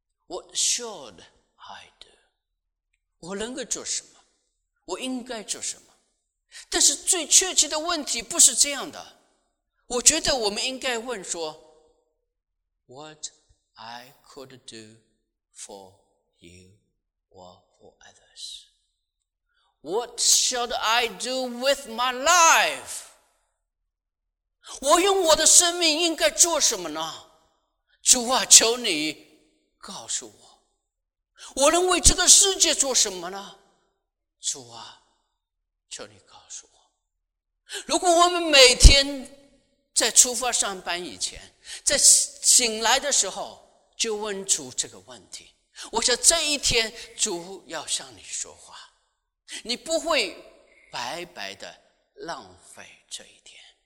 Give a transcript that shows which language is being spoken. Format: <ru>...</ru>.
<en>What should I do?</en> <zh>我能够做什么？我应该做什么？但是最确切的问题不是这样的，我觉得我们应该问说</zh> <en>What I could do for you or for others? What should I do with my life?</en> <zh>我用我的生命应该做什么呢？主啊，求你告诉我，我能为这个世界做什么呢？主啊，求你告诉我。如果我们每天在出发上班以前，在醒来的时候就问主这个问题，我想这一天主要向你说话，你不会白白的浪费这一天。</zh>